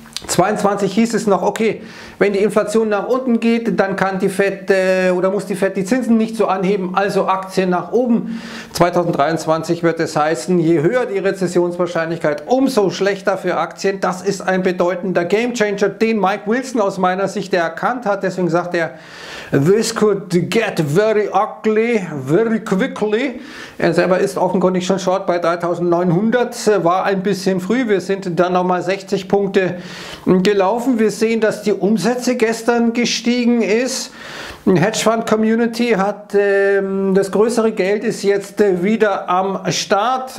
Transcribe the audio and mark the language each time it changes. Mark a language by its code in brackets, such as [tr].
[de] 22 hieß es noch, okay, wenn die Inflation nach unten geht, dann kann die Fed oder muss die Fed die Zinsen nicht so anheben, also Aktien nach oben. 2023 wird es heißen, je höher die Rezessionswahrscheinlichkeit, umso schlechter für Aktien. Das ist ein bedeutender Gamechanger, den Mike Wilson aus meiner Sicht erkannt hat. Deswegen sagt er, [en] this could get very ugly, very quickly. [de] Er selber ist offenkundig schon short bei 3.900, war ein bisschen früh. Wir sind dann nochmal 60 Punkte gelaufen. Wir sehen, dass die Umsätze gestern gestiegen ist. Hedgefund Community hat das größere Geld ist jetzt wieder am Start.